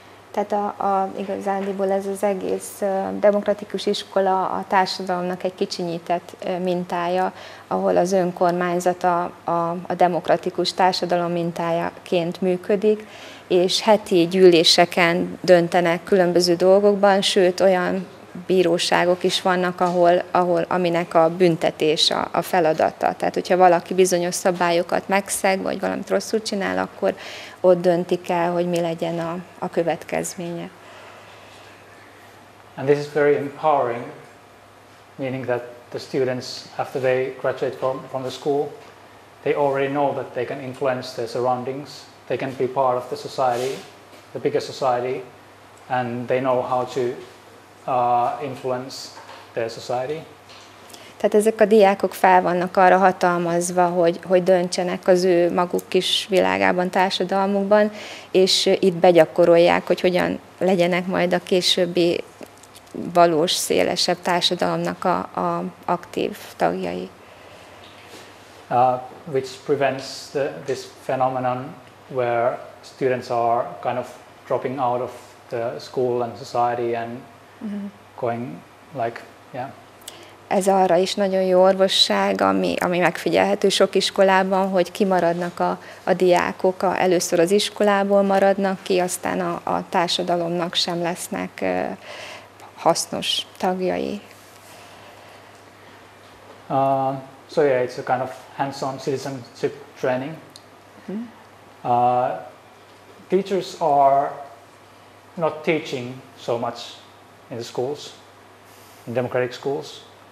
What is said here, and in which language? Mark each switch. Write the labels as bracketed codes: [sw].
[hu] Tehát a igazándiból ez az egész demokratikus iskola a társadalomnak egy kicsinyített mintája, ahol az önkormányzat a demokratikus társadalom mintájaként működik, és heti gyűléseken döntenek különböző dolgokban, sőt olyan bíróságok is vannak, ahol aminek a büntetés a feladata. Tehát, hogyha valaki bizonyos szabályokat megszeg, vagy valamit rosszul csinál, akkor ott döntik el, hogy mi legyen a következménye. [en] And this is very empowering, meaning that the students, after they graduate from the school, they already know that they can influence their surroundings, they can be part of the society, the bigger society, and they know how to influence their society. [hu] Tehát ezek a diákok fel vannak arra hatalmazva, hogy döntsenek az ő maguk kis világában, társadalmukban, és itt begyakorolják, hogy hogyan legyenek majd a későbbi valós, szélesebb társadalomnak a aktív tagjai. [en] Which prevents this phenomenon where students are kind of dropping out of the school and society and going like, yeah. [hu] Ez arra is nagyon jó orvosság, ami megfigyelhető sok iskolában, hogy kimaradnak a diákok, először az iskolából maradnak ki, aztán a társadalomnak sem lesznek hasznos tagjai. [en] So yeah, it's a kind of hands-on citizenship training. Teachers are not teaching so much in the schools, in democratic schools.